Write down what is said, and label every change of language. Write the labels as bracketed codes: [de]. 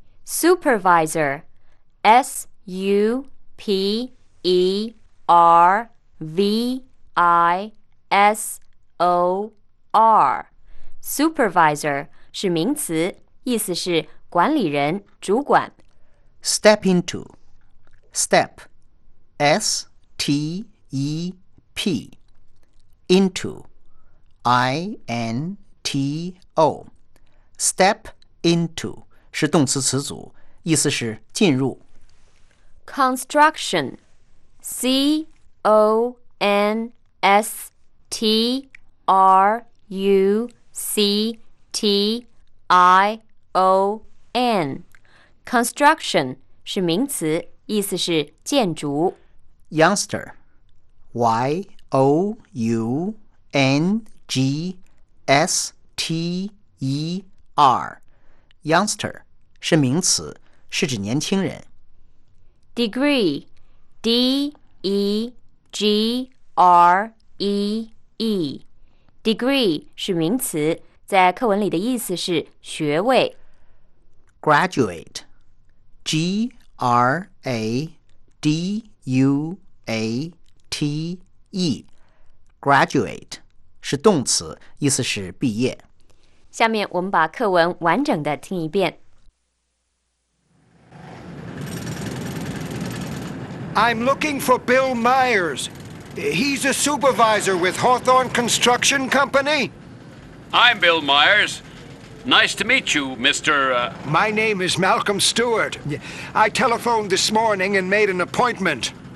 [zh] Supervisor， S-U-P-E-R-V-I-S-O-R， Supervisor 是名词，意思是管理人、主管。 Step into， Step， S-T-E-P， Into， I-N-T-O， Step into 是动词词组，意思是进入。 Construction， C-O-N-S-T-R-U-C-T-I-O-N， Construction 是名词，意思是建筑。 Youngster， Y-O-U-N-G-S-T-E-R， Youngster 是名词，是指年轻人。 Degree， D-E-G-R-E-E， Degree 是名词，在课文里的意思是学位。 Graduate， G-R-A-D-U-A-T-E， Graduate 是动词，意思是毕业。下面我们把课文完整的听一遍。 [en] I'm looking for Bill Myers. He's a supervisor with Hawthorne Construction Company. I'm Bill Myers. Nice to meet you, Mr. My name is Malcolm Stewart. I telephoned this morning and made an appointment.